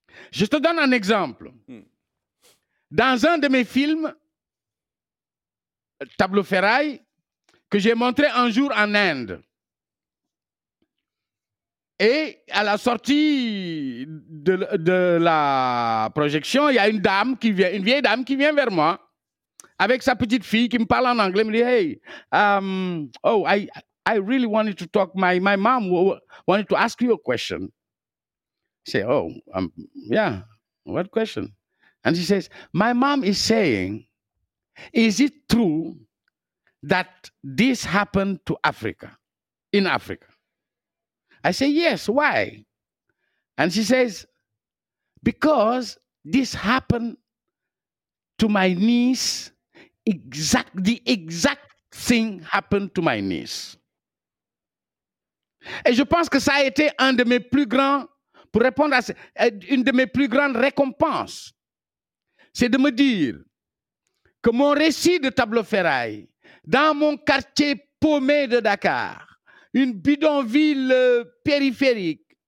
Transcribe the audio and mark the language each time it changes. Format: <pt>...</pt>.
<fr>Je te donne un exemple. Dans un de mes films, Tableau Ferraille, que j'ai montré un jour en Inde. Et à la sortie de la projection, il y a une dame qui vient, une vieille dame qui vient vers moi avec sa petite fille qui me parle en anglais. Elle me dit,</fr> <en>I really wanted to talk. My mom wanted to ask you a question. I say, what question? And she says, my mom is saying, is it true that this happened to Africa, in Africa? I say, yes, why? And she says, because this happened to my niece, the exact thing happened to my niece.</en> <fr>Et je pense que ça a été un de mes plus grands, pour répondre à ça, une de mes plus grandes récompenses, c'est de me dire que mon récit de Tableau Ferraille, dans mon quartier paumé de Dakar, une bidonville périphérique,</fr>